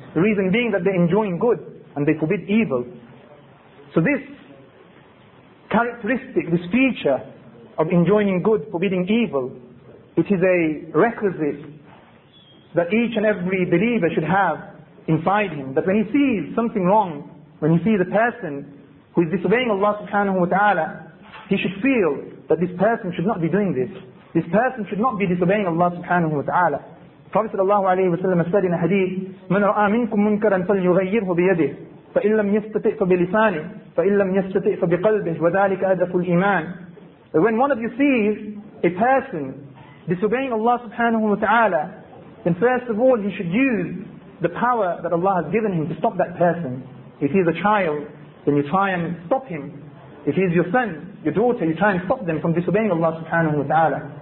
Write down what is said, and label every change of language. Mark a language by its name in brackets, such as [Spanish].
[English] The reason being that they enjoy good and they forbid evil. So this characteristic, this feature of enjoying good, forbidding evil, it is a requisite that each and every believer should have inside him. That when he sees something wrong, when he sees a person who is disobeying Allah subhanahu wa ta'ala, he should feel that this person should not be doing this. This person should not be disobeying Allah subhanahu wa ta'ala. Prophet sallallahu alayhi wa sallam said in a hadith, [Arabic] مَنْ رَآ مِنْكُمْ مُنْكَرًا فَلْيُغَيِّرْهُ بِيَدِهِ فَإِنْ لَمْ يَسْتَطِئْ فَبِلِسَانِهِ فَإِنْ لَمْ يَسْتَطِئْ فَبِقَلْبِهِ وَذَلِكَ أَدَفُ الْإِيمَانِ. [English] When one of you sees a person disobeying Allah subhanahu wa ta'ala, then first of all he should use the power that Allah has given him to stop that person. If he is a child, then you try and stop him. If he is your son, your daughter, you try and stop them from disobeying Allah subhanahu wa ta'ala.